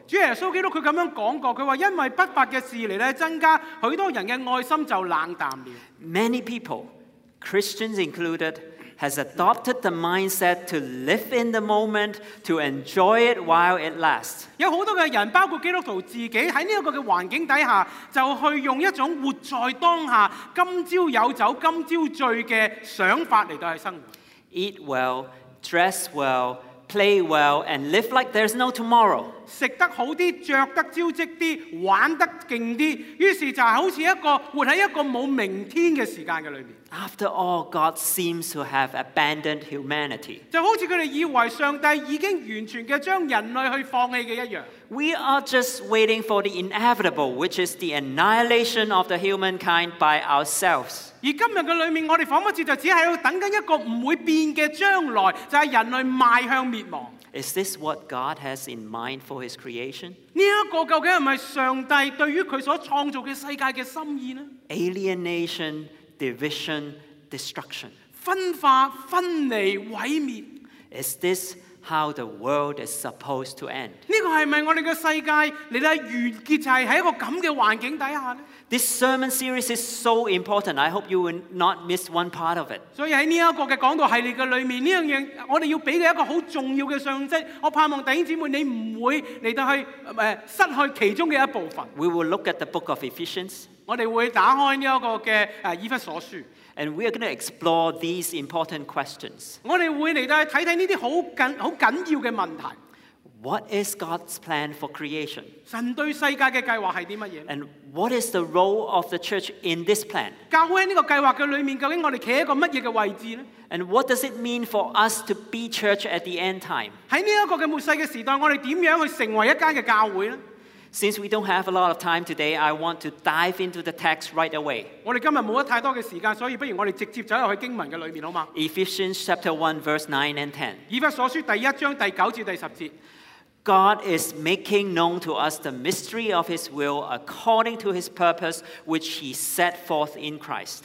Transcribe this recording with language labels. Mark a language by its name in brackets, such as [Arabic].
[Chinese] 主耶稣基督他这样讲过，他说因为不法的事来到增加，许多人的爱心就冷淡了。 [English] Many people, Christians included,has adopted the mindset to live in the moment, to enjoy it while it lasts. [Chinese] 有很多的人，包括基督徒自己，在这个环境底下，就去用一种活在当下，今朝有酒今朝醉的想法来到生活。 [English] Eat well, dress well, play well, and live like there's no tomorrow. [Chinese] 吃得好一点，穿得招积一点，玩得劲一点，于是就好像一个活在一个没有明天的时间里面。 [English] After all, God seems to have abandoned humanity. [Chinese] 就好像他们以为上帝已经完全地将人类去放弃的一样。 [English] We are just waiting for the inevitable, which is the annihilation of the humankind by ourselves. [Chinese] 而今天的里面，我们仿佛就只是在等一个不会变的将来，就是人类迈向灭亡。 [English] Is this what God has in mind for his creation? [Chinese] 这个究竟是不是上帝对于他所创造的世界的心意呢？ [English] Alienation,Division, destruction. [Chinese] 分化、分离、毁灭。 [English] Is this how the world is supposed to end? [Chinese] 这个是不是我们的世界来到完结就是在一个这样的环境底下呢？ [English] This sermon series is so important. I hope you will not miss one part of it. [Chinese] 所以在这个的讲道系列里面，这样我们要给的一个很重要的信息，我盼望弟兄姊妹你不会来到去失去其中的一部分。 [English] We will look at the book of Ephesians. [Chinese] 我们会打开这个的以弗所书。 [English] And we are going to explore these important questions. [Chinese] 我们会来看看这些很紧要的问题。 [English] What is God's plan for creation? [Chinese] 神对世界的计划是什么？ [English] And what is the role of the church in this plan? [Chinese] 教会在这个计划的里面，究竟我们站在一个什么的位置呢？ [English] And what does it mean for us to be church at the end time? [Chinese] 在这个的末世的时代，我们怎样去成为一间的教会呢？ [English] Since we don't have a lot of time today, I want to dive into the text right away. [Chinese] 我们今天没有太多的时间，所以不如我们直接走入经文的里面，好吗？ [English] Ephesians chapter 1, verse 9 and 10. [Chinese] 以弗所书第一章第九至第十节。 [English] God is making known to us the mystery of His will according to His purpose which He set forth in Christ.